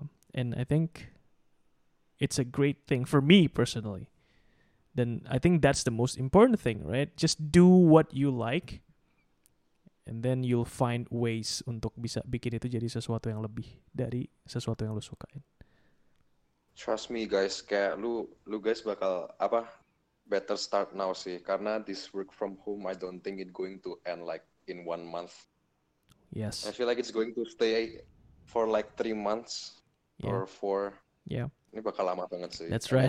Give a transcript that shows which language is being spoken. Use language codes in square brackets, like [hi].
[en] And I think it's a great thing for me personally. Then I think that's the most important thing, right? Just do what you like, and then you'll find ways [id] untuk bisa bikin itu jadi sesuatu yang lebih dari sesuatu yang lu sukain. [en] Trust me, guys. [id] Kayak lu guys bakal apa? [en] Better start now [id] sih, karena [en] this work from home, I don't think it going to end like in 1 month. Yes. I feel like it's going to stay for like 3 months, yeah. Or 4. Yeah. [id] Ini bakal lama banget sih. [en] That's right.